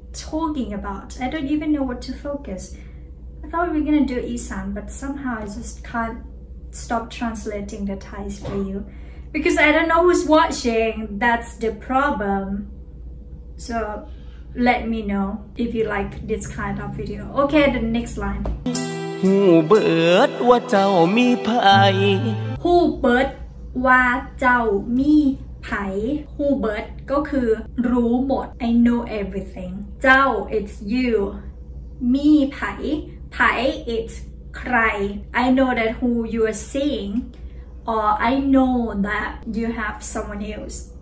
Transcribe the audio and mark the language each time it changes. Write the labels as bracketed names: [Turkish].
[English] talking about I don't even know what to focus I thought we were gonna do Isan but somehow I just can't stop translating the Thai for you because I don't know who's watching that's the problem soLet me know if you like this kind of video. Okay, the next line. [Northeastern Thai] หูเบิดว่าเจ้ามีไผ่หูเบิดว่าเจ้ามีไผ่หูเบิด [Thai] ก็คือรู้หมด [English] I know everything. เจ้า it's you. [Northeastern Thai] มีไผ่ไผ่ [English] it's ใคร I know that who you are seeing or I know that you have someone else.